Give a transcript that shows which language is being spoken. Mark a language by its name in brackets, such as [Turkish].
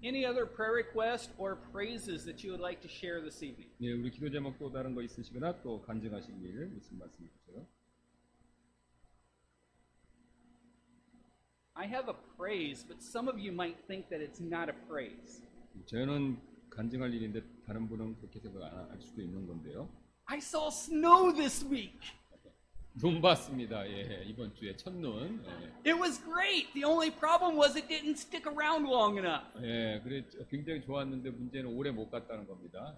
[English] Any other prayer requests or praises that you would like to share this evening? [Korean] 네, 우리 기도 제목 또 다른 거 있으시거나 또 간증하시기를 무슨 말씀 주세요. [English] I have a praise, but some of you might think that it's not a praise. [Korean] 저는 간증할 일인데 다른 분은 그렇게 생각 안 할 수도 있는 건데요. [English] I saw snow this week. [Korean] 눈 봤습니다. 예, 이번 주에 첫눈. 예. [English] It was great. The only problem was it didn't stick around long enough. [Korean] 예, 그래 굉장히 좋았는데 문제는 오래 못 갔다는 겁니다.